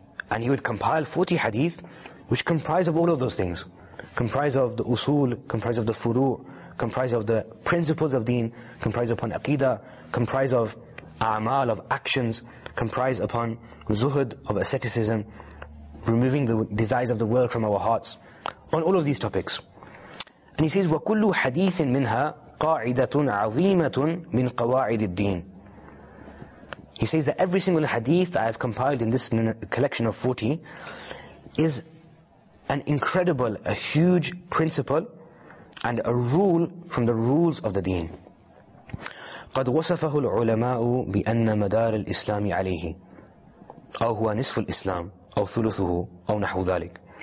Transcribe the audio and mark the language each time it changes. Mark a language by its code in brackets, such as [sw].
[en] And he would compile 40 hadith which comprise of all of those things, comprise of the usul, comprise of the furu', comprise of the principles of deen, comprise upon aqidah, comprise of a'mal, of actions, comprise upon zuhud, of asceticism, removing the desires of the world from our hearts, on all of these topics. And he says, [ar] وَكُلُّ حَدِيثٍ مِنْهَا قَاعِدَةٌ عَظِيمَةٌ مِنْ قَوَاعِدِ الدِّينِ. [en] He says that every single hadith that I have compiled in this collection of 40 is an incredible, a huge principle and a rule from the rules of the deen. [ar] قَدْ وَصَفَهُ الْعُلَمَاءُ بِأَنَّ مَدَارَ الْإِسْلَامِ عَلَيْهِ أَوْ هُوَ نِصْفُ الْإِسْلَامِ أَوْ ثُلُثُهُ أَوْ نَحْوُ ذَلِكَ.